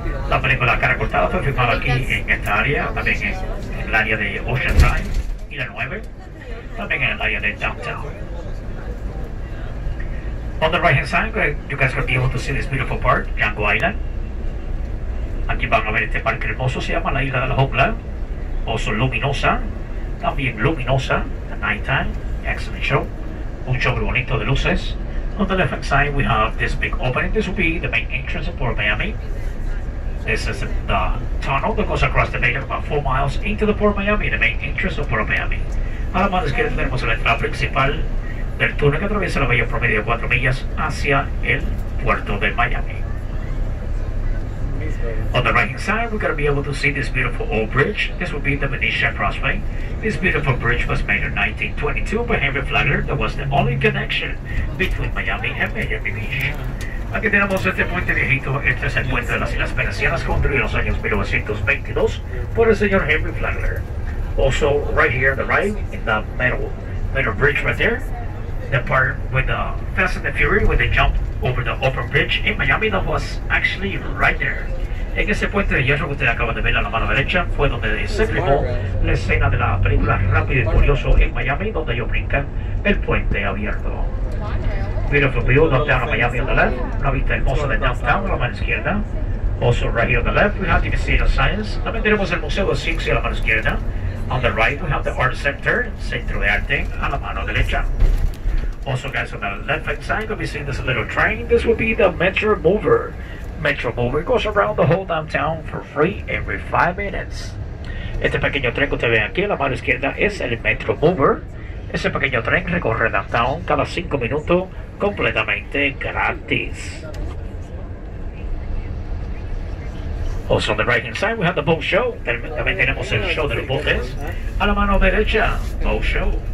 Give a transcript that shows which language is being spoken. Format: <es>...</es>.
<es>La película Cara Cortada fue filmada aquí en esta área, también en el área de Ocean Drive y la 9, también en el área de Downtown.</es> <en>On the right hand side, you guys will be able to see this beautiful park, Django Island.</en> <es>Aquí van a ver este parque hermoso, se llama la Isla de la Jungla. Oso Luminosa, también Luminosa, the nighttime, excellent show. Mucho bonito de luces.</es> <en>On the left hand side, we have this big opening. This will be the main entrance of Port Miami. This is the tunnel that goes across the bay about 4 miles into the Port of Miami, the main entrance of Port of Miami.</en> <es>A la mano izquierda tenemos la entrada principal del túnel que atraviesa la bahía por medio de 4 millas hacia el puerto de Miami.</es> <en>On the right hand side, we're going to be able to see this beautiful old bridge. This will be the Venetian Crossway. This beautiful bridge was made in 1922 by Henry Flagler. That was the only connection between Miami and Miami Beach.</en> <es>Aquí tenemos este puente viejito. Este es el puente de las Islas Venecianas, construido en los años 1922 por el señor Henry Flagler.</es> <en>Also, right here on the right, in the metal bridge right there, the part with the Fast and the Fury, with the jump over the open bridge in Miami, that was actually right there.</en> <es>En ese puente de hierro que usted acaba de ver a la mano derecha, fue donde se filmó la escena de la película Rápido y Furioso en Miami, donde ellos brincan el puente abierto.</es> <en>Beautiful view, downtown of Miami on the left.</en> <es>La vista hermosa de downtown, a la mano izquierda.</es> <en>Also right here on the left, we have the Museum of Science.</en> <es>También tenemos el Museo de Ciencia a la mano izquierda.</es> <en>On the right, we have the Art Center,</en> <es>Centro de Arte, a la mano derecha.</es> <en>Also guys, on the left-hand side, we'll be seeing this little train. This will be the Metro Mover. Metro Mover goes around the whole downtown for free every 5 minutes.</en> <es>Este pequeño tren que usted ve aquí a la mano izquierda es el Metro Mover. Ese pequeño tren recorre downtown cada 5 minutos completamente gratis.</es> <en>Also on the right hand side we have the boat show.</en> <es>También tenemos el show de los botes. A la mano derecha, boat show.</es>